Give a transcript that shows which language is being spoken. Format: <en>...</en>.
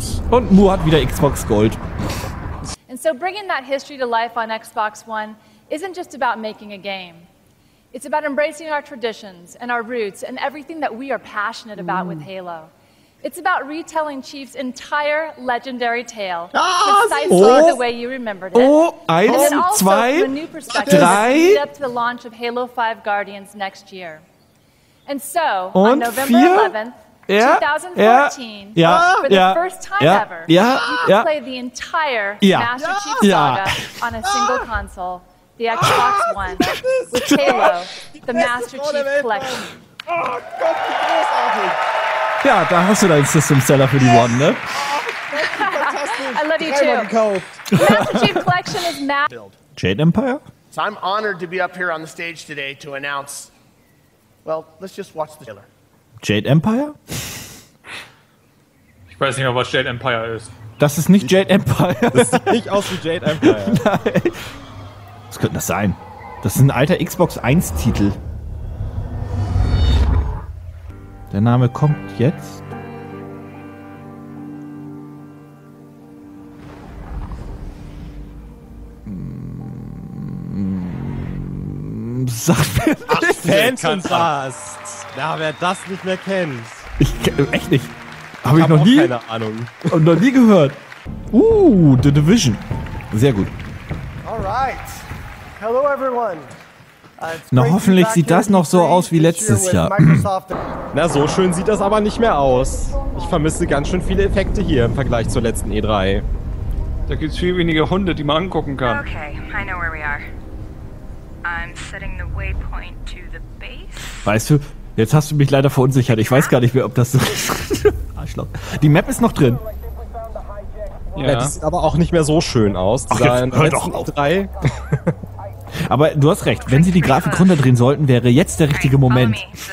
<de>Und Mu hat wieder Xbox Gold.</de> <en>And so bringing that history to life on Xbox One isn't just about making a game. It's about embracing our traditions and our roots and everything that we are passionate about with Halo. It's about retelling Chief's entire legendary tale. The way you remembered it. Oh, eins, and also zwei, a new perspective drei. Lead up to the launch of Halo 5 Guardians next year. And so,</en> <de>und</de> <en>on November 11th, 2014, for the first time ever, you can play the entire Master Chief saga on a single console, the Xbox One, with Halo, the Master Chief Collection.</en> <de>Oh Gott, wie großartig! Ja, da hast du deinen System Seller für die One, ne? Fantastisch.</de> <en>I love you too. Master Chief Collection is Matt. Jade Empire? So I'm honored to be up here on the stage today to announce. Well, let's just watch the trailer. Jade Empire?</en> <de>Ich weiß nicht mehr, was Jade Empire ist. Das ist nicht Jade Empire. Das sieht nicht aus wie Jade Empire. Nein. Was könnte das sein? Das ist ein alter Xbox 1 Titel. Der Name kommt jetzt. Sagt mir das. Phantom Dust. Ja, wer das nicht mehr kennt. Echt nicht. Habe ich noch nie. Keine Ahnung. Und noch nie gehört. The Division. Sehr gut.</de> <en>Alright. Hello everyone.</en> <de>Na, hoffentlich sieht das noch so aus wie letztes Jahr. Na, so schön sieht das aber nicht mehr aus. Ich vermisse ganz schön viele Effekte hier im Vergleich zur letzten E3. Da gibt's viel weniger Hunde, die man angucken kann.</de> <en>Okay, I know where we are. I'm setting the waypoint to the base.</en> <de>Weißt du, jetzt hast du mich leider verunsichert. Ich weiß gar nicht mehr, ob das so ist. Arschloch. Die Map ist noch drin. Ja. Das sieht aber auch nicht mehr so schön aus. Ach, jetzt hör doch auf. Aber du hast recht, wenn sie die Grafik runterdrehen sollten, wäre jetzt der richtige Moment.</de>